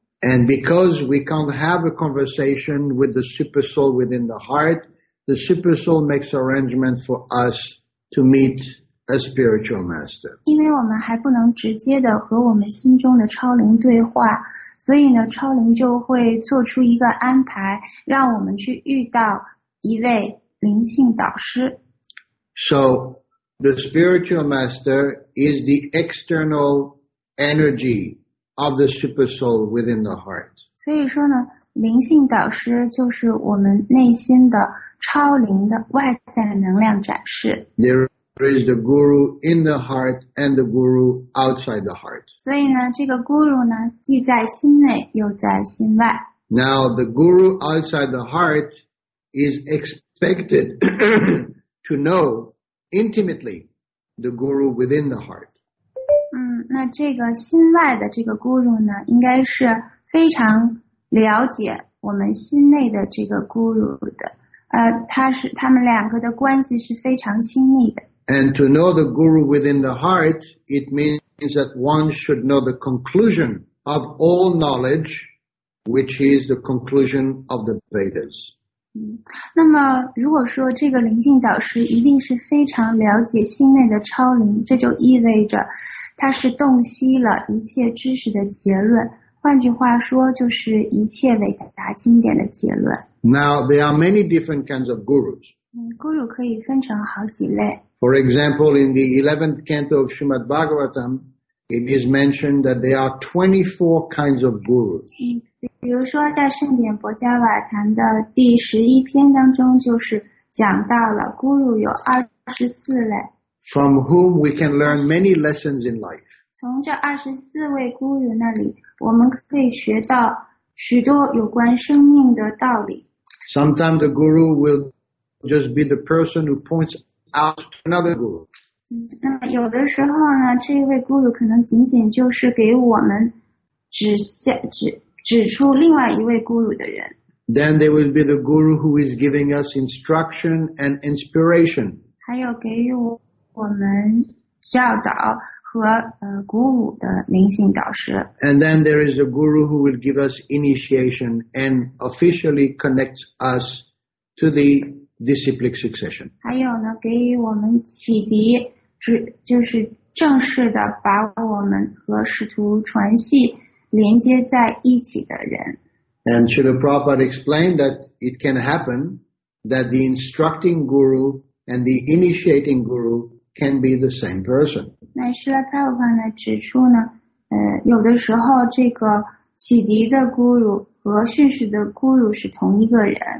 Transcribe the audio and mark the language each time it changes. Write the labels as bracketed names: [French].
[English] And because we can't have a conversation with the super soul within the heart,The super soul makes arrangements for us to meet a spiritual master. [Chinese] 因为我们还不能直接的和我们心中的超灵对话，所以呢，超灵就会做出一个安排，让我们去遇到一位灵性导师。 [English] So, the spiritual master is the external energy of the super soul within the heart. [Chinese] 所以说呢，灵性导师就是我们内心的。超灵的外在能量展示。 [English] There is the guru in the heart and the guru outside the heart. [Chinese] 所以呢，这个 guru 呢，既在心内又在心外。 [English] Now the guru outside the heart is expected to know intimately the guru within the heart. [Chinese] 那这个心外的这个 guru 呢，应该是非常了解我们心内的这个 guru 的，他们两个的关系是非常亲密的。 [English] And to know the guru within the heart, it means that one should know the conclusion of all knowledge, which is the conclusion of the Vedas. [Chinese] 那么如果说这个灵性导师一定是非常了解心内的超灵，这就意味着他是洞悉了一切知识的结论。换句话说，就是一切伟大经典的结论。 [English] Now, there are many different kinds of gurus. [Chinese] Guru 可以分成好几类。 [English] For example, in the 11th canto of Srimad Bhagavatam, it is mentioned that there are 24 kinds of gurus. [Chinese] 比如说在圣典博伽瓦坛的第11篇当中就是讲到了 guru 有24类。 [English] From whom we can learn many lessons in life. [Chinese] 从这24位 guru 那里我们可以学到许多有关生命的道理。 [English] Sometimes the guru will just be the person who points out to another guru. [Chinese] 那有的时候呢，这一位 guru 可能仅仅就是给我们指出另外一位 guru 的人。 [English] Then there will be the guru who is giving us instruction and inspiration. [Chinese] 还有给予我们教导和鼓舞的灵性导师。 [English] And then there is a guru who will give us initiation and officially connect us to the disciplic succession. [Chinese] 还有呢，给予我们启迪，就是正式的把我们和师徒传系连接在一起的人。 [English] And Srila Prabhupada explained that it can happen that the instructing guru and the initiating guru can be the same person. [Chinese] 那Srila Prabhupada呢指出呢，有的时候这个启迪的 guru 和训示的 guru 是同一个人。